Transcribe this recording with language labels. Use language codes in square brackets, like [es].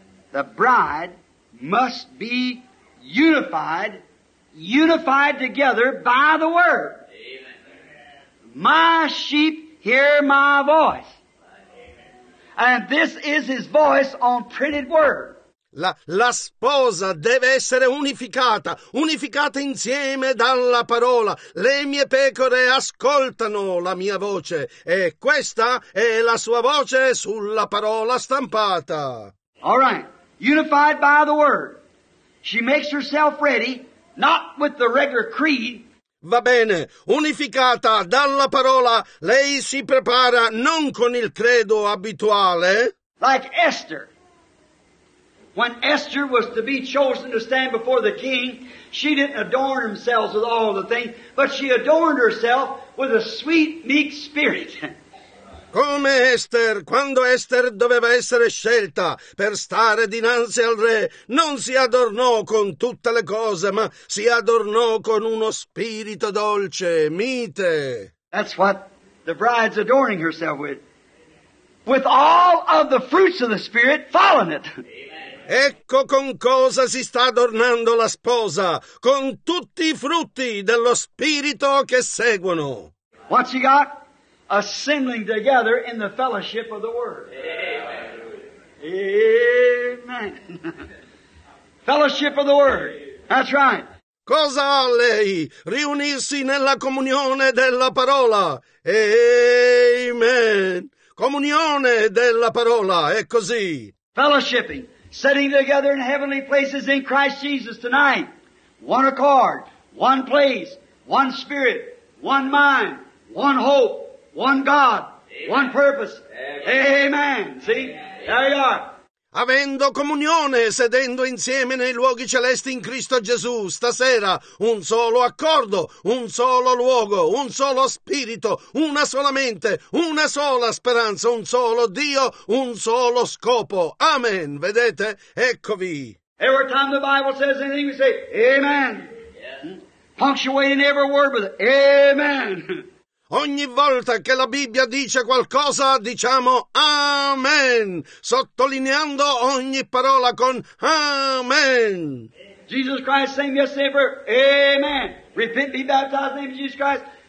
[en] The bride must be unified together by the word. My sheep hear my voice. And this is his voice on printed word. [it] La sposa deve essere unificata insieme dalla parola. Le mie pecore ascoltano la mia voce, e questa è la sua voce sulla parola stampata. [en] All right. Unified by the word. She makes herself ready, not with the regular creed. [it] Va bene, unificata dalla parola, lei si prepara non con il credo abituale. [en] Like Esther. When Esther was to be chosen to stand before the king, she didn't adorn herself with all the things, but she adorned herself with a sweet, meek spirit. [it] Come Esther, quando Esther doveva essere scelta per stare dinanzi al re, non si adornò con tutte le cose, ma si adornò con uno spirito dolce, mite. [en] That's what the bride's adorning herself with. With all of the fruits of the Spirit following it. [it] Ecco con cosa si sta adornando la sposa, con tutti i frutti dello Spirito che seguono. [en] What she got? Assembling together in the fellowship of the Word. Amen. Fellowship of the Word. That's right. [it] Cosa ha lei? Riunirsi nella comunione della parola. Amen. Comunione della parola, è così. [en] Fellowshipping. Sitting together in heavenly places in Christ Jesus tonight. One accord, one place, one spirit, one mind, one hope, one God, amen. One purpose. Amen. Amen. See? There you are. [it] Avendo comunione, sedendo insieme nei luoghi celesti in Cristo Gesù, stasera, un solo accordo, un solo luogo, un solo spirito, una sola mente, una sola speranza, un solo Dio, un solo scopo. Amen. Vedete? Eccovi. [en] Every time the Bible says anything, we say, amen. Yes. Punctuating every word with amen. [it] Ogni volta che la Bibbia dice qualcosa, diciamo Amen, sottolineando ogni parola con Amen. [en] Jesus Christ, same yesterday, forever. Amen. Repent, be baptized in the name of Jesus Christ.